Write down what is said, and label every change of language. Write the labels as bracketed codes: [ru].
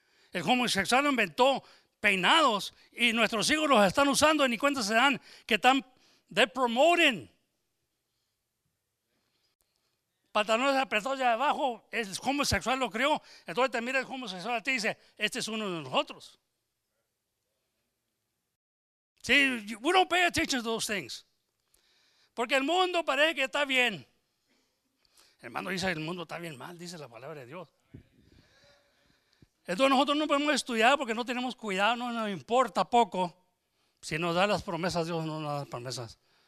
[es] El homosexual inventó peinados y nuestros hijos los están usando y ni cuenta se dan que están, [en] they're promoting. [es] Pantalones apretados de abajo, el homosexual lo creó. Entonces te mira el homosexual a ti y dice, este es uno de nosotros. [en] Sí, we don't pay attention to those things. [es] Porque el mundo parece que está bien. Hermano dice, el mundo está bien mal, dice la palabra de Dios. Entonces nosotros no podemos estudiar porque no tenemos cuidado, no nos importa poco. Si nos da las promesas, Dios no nos da las promesas.